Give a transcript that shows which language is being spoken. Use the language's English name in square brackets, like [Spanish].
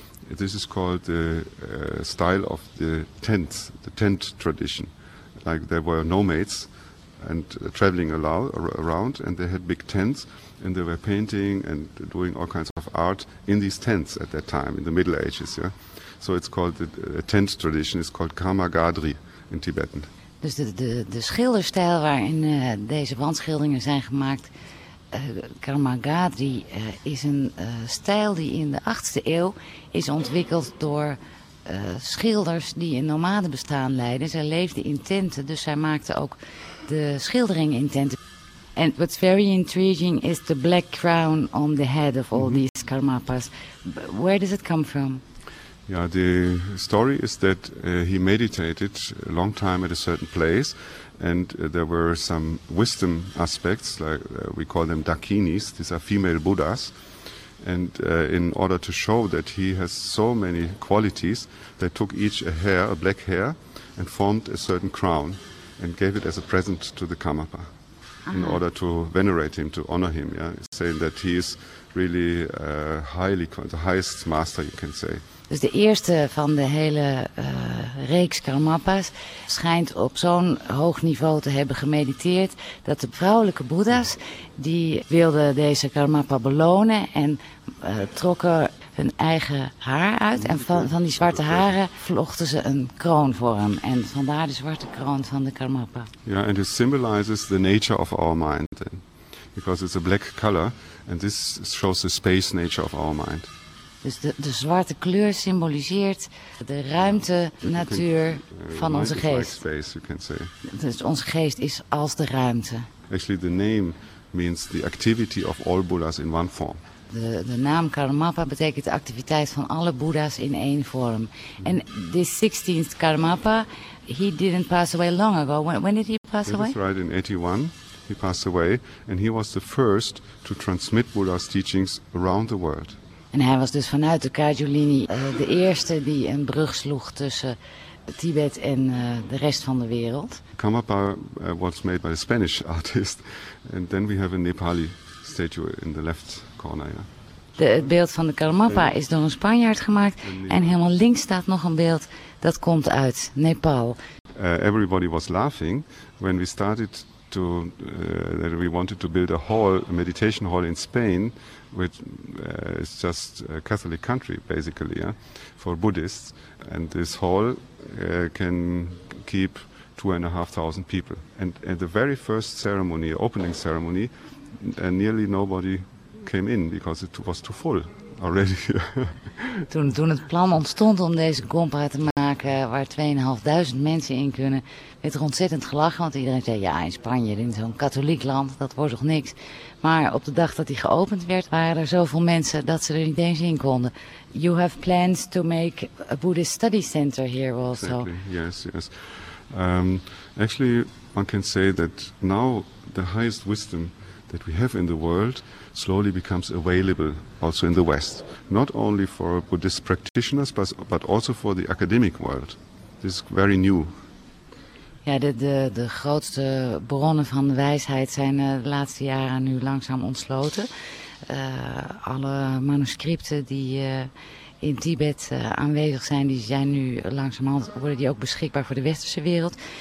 [English] This is called the style of the tent tradition. Like there were nomads and traveling around, and they had big tents, and they were painting and doing all kinds of art in these tents at that time, in the Middle Ages. Yeah? So it's called the tent tradition. It's called Karma Gadri in Tibetan. [Dutch] Dus de schilderstijl waarin deze wandschilderingen zijn gemaakt, Karma Gadri, is een stijl die in de 8e eeuw is ontwikkeld door schilders die een nomadenbestaan leiden. Zij leefden in tenten, dus zij maakten ook de schilderingen in tenten. [English] And what's very intriguing is the black crown on the head of all mm-hmm. these Karmapas. Where does it come from? Yeah, the story is that he meditated a long time at a certain place, and there were some wisdom aspects, like we call them Dakinis. These are female Buddhas, and in order to show that he has so many qualities, they took each a hair, a black hair, and formed a certain crown and gave it as a present to the Karmapa uh-huh. in order to venerate him, to honor him, yeah, saying that he is really the highest master, you can say. [Dutch] Dus de eerste van de hele reeks Karmapas schijnt op zo'n hoog niveau te hebben gemediteerd dat de vrouwelijke boeddha's, die wilden deze Karmapa belonen en trokken hun eigen haar uit. En van die zwarte haren vlochten ze een kroon voor hem. En vandaar de zwarte kroon van de Karmapa. Ja, en het symboliseert de natuur van onze mind. [English] Because it's a black color and this shows the space nature of our mind. [Dutch] Dus de zwarte kleur symboliseert de ruimte, natuur van onze geest. [English] Like space, you can say. [Dutch] Dus onze geest is als de ruimte. [English] Actually, the name means the activity of all Buddhas in one form. [Dutch] De naam Karmapa betekent de activiteit van alle Boeddha's in één vorm. [English] En this 16th Karmapa, he didn't pass away long ago. When did he pass that away? That's right, in 81. He passed away, and he was the first to transmit Buddha's teachings around the world. [Dutch] En hij was dus vanuit de Kajulini de eerste die een brug sloeg tussen Tibet en de rest van de wereld. [English] Karmapa was made by a Spanish artist, and then we have a Nepali statue in the left corner. Yeah. [Dutch] Het beeld van de Karmapa is door een Spanjaard gemaakt, en helemaal links staat nog een beeld dat komt uit Nepal. [English] Everybody was laughing when we started. That we wanted to build a hall, a meditation hall in Spain, which is just a Catholic country, basically, yeah, for Buddhists. And this hall can keep 2,500 people. And at the very first ceremony, opening ceremony, nearly nobody came in because it was too full already. [Dutch] Toen het plan ontstond om deze compa te maken waar 2,500 mensen in kunnen, werd er ontzettend gelachen, want iedereen zei, ja, in Spanje, in zo'n katholiek land, dat wordt toch niks. Maar op de dag dat die geopend werd, waren er zoveel mensen dat ze er niet eens in konden. [English] You have plans to make a Buddhist study center here also. Exactly. Yes, yes. Actually, one can say that now the highest wisdom that we have in the world slowly becomes available also in the West. Not only for Buddhist practitioners, but also for the academic world. This is very new. [Dutch] Ja, de grootste bronnen van wijsheid zijn de laatste jaren nu langzaam ontsloten. Alle manuscripten die in Tibet aanwezig zijn, die zijn nu langzamerhand worden die ook beschikbaar voor de westerse wereld.